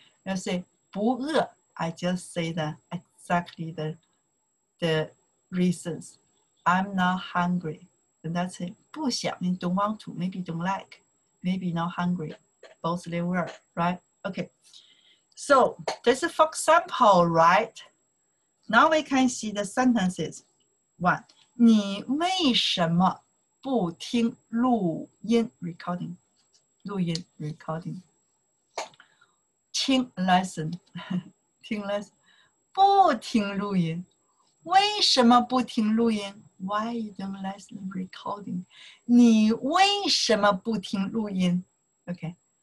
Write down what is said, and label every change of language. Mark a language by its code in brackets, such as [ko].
[en] You say [zh] 不饿, [en] I just say the exactly the reasons. I'm not hungry, and that's it. [zh] 不想 [en] means don't want to, maybe don't like, maybe not hungry, both they were, right? Okay, so this is for example, right? Now we can see the sentences. [zh] One, 你为什么不听录音 recording? 录音 [en] recording. [zh] 听 [en] lesson, 听 lesson. [zh] 不听录音。为什么不听录音? [en] Why you don't listen recording? [zh] 你为什么不听录音? [en] Okay.